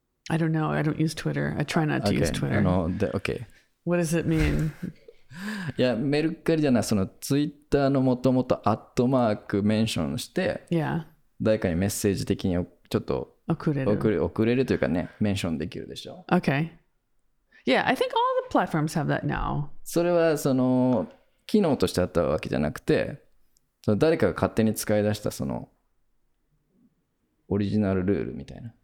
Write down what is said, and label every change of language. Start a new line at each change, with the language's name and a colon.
English: I don't know. I don't use Twitter. I try not to、 okay. use Twitter. No, the, okay. What does it mean?
Japanese: Yeah, メルカリじゃない。その Twitter のもともとアットマークメンションして、
English: yeah.
Japanese: 誰かにメッセージ的にちょっと送れるというかね、メンションできるでしょう。
English: Okay. Yeah, I think all the platforms have that now.
Japanese: それはその機能としてあったわけじゃなくて、その誰かが勝手に使い出したそのオリジナルルールみたいな。